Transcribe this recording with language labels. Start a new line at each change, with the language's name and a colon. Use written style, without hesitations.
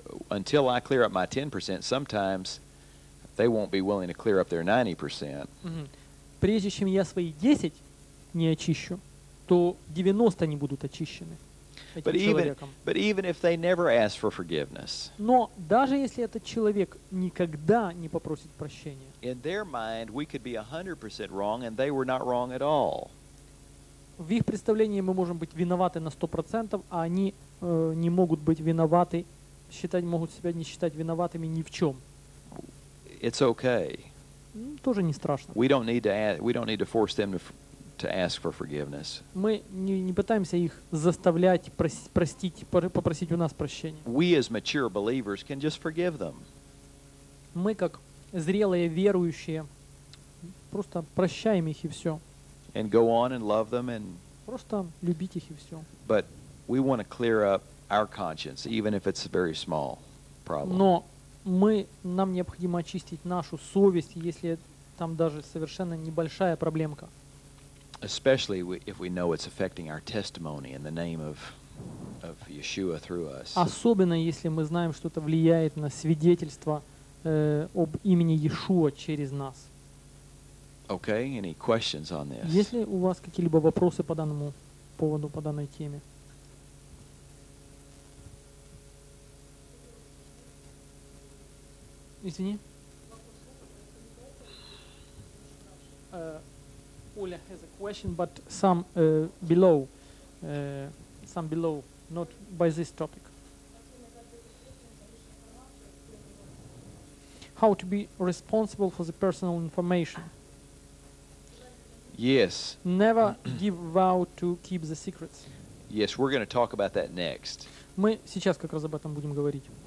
English: Until I clear up my 10%, sometimes they won't be willing to clear up their 90%. Mm-hmm.
Russian: Прежде чем я свои 10 не очищу, то 90 не будут очищены этим человеком. Но даже если этот человек никогда не попросит прощения, в их представлении мы можем быть виноваты на 100%, а они не могут быть виноваты, считать могут себя не считать виноватыми ни в чем.
English: It's okay.
Russian: Тоже не страшно.
English: We don't need to force them to ask for forgiveness.
Russian: Мы не пытаемся их заставлять простить, попросить у нас прощения.
English: We as mature believers can just forgive them.
Russian: Мы как зрелые верующие просто прощаем их и все.
English: And go on and love them and
Russian: просто любить их и все.
English: But we want to clear up our conscience, even if it's a very small problem.
Russian: Но мы, нам необходимо очистить нашу совесть, если там даже совершенно небольшая проблемка.
English: Especially if we know it's affecting our testimony in the name of Yeshua through us.
Russian: Особенно если мы знаем, что это влияет на свидетельство об имени Иешуа через нас.
English: Okay, any questions on this?
Russian: Есть ли у вас какие-либо вопросы по данному поводу, по данной теме? Извини.
English: Оля has a question, but some below, not by this topic. How to be responsible for the personal information? Yes. Never give vow to keep the secrets. Yes, we're going to talk about that next.
Russian: Мы сейчас как раз об этом будем говорить.